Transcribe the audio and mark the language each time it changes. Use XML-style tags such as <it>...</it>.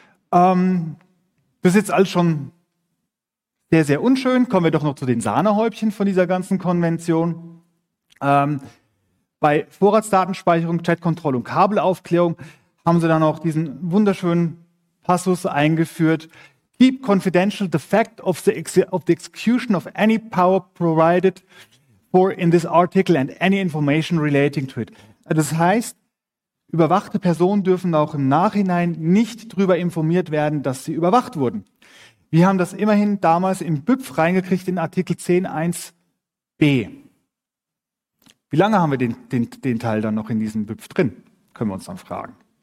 <de>Das ist jetzt alles schon sehr, sehr unschön. Kommen wir doch noch zu den Sahnehäubchen von dieser ganzen Konvention. Bei Vorratsdatenspeicherung, Chatkontrolle und Kabelaufklärung haben sie dann auch diesen wunderschönen Passus eingeführt.</de> <en>Keep confidential the fact of the execution of any power provided for in this article and any information relating to it.</en> <de>Das heißt, überwachte Personen dürfen auch im Nachhinein nicht darüber informiert werden, dass sie überwacht wurden. Wir haben das immerhin damals im BÜPF reingekriegt, in Artikel 10.1b. Wie lange haben wir den Teil dann noch in diesem BÜPF drin? Können wir uns dann fragen.</de>